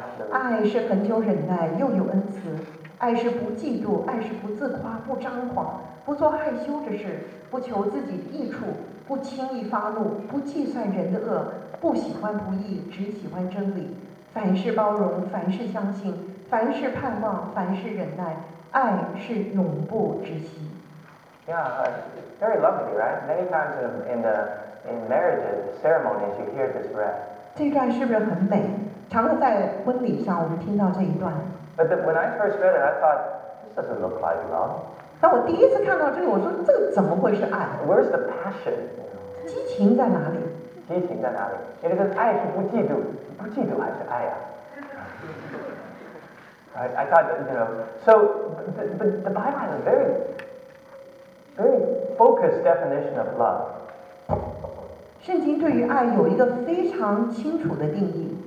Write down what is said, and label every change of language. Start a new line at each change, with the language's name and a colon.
Chinese: 爱是恒久忍耐，又有恩慈。爱是不嫉妒，爱是不自夸，不张狂，不做害羞的事，不求自己益处，不轻易发怒，不计算人的恶，不喜欢不义，只喜欢真理。凡事包容，凡事相信，凡事盼望，凡事忍耐。爱是永不止息。
English: Yeah, very lovely, right? Many times in marriage ceremonies, you hear this read.
Chinese: 这段是不是很美？常常在婚礼上，我们听到这一段。
English: But when I first read it, I thought this doesn't look like love.
Chinese: 当我第一次看到这个，我说这怎么会是爱
English: ？Where's the passion?
Chinese: 激情在哪里？激情在哪里？因为这爱是不嫉妒，不嫉妒还是爱啊？
English: I thought, you know, so the Bible has a very, very focused definition of love.
Chinese: 圣经对于爱有一个非常清楚的定义。